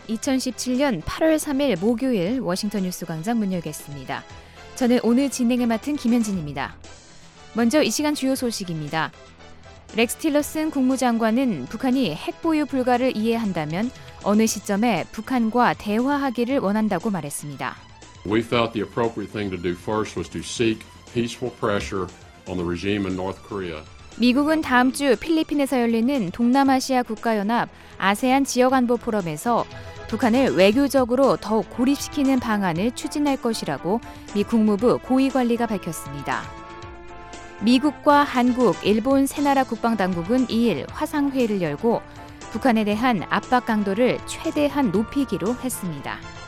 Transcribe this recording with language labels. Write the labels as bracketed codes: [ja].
[ko] 2017년 8월 3일 목요일 워싱턴 뉴스 광장 문 열겠습니다. 저는 오늘 진행을 맡은 김현진입니다. 먼저 이 시간 주요 소식입니다. 렉스 틸러슨 국무장관은 북한이 핵 보유 불가를 이해한다면 어느 시점에 북한과 대화하기를 원한다고 말했습니다. [en] We thought the appropriate thing to do first was to seek peaceful pressure on the regime in North Korea. [ko] 미국은 다음 주 필리핀에서 열리는 동남아시아 국가연합 아세안 지역안보 포럼에서 북한을 외교적으로 더욱 고립시키는 방안을 추진할 것이라고 미 국무부 고위관리가 밝혔습니다. 미국과 한국, 일본 세 나라 국방당국은 2일 화상회의를 열고 북한에 대한 압박 강도를 최대한 높이기로 했습니다.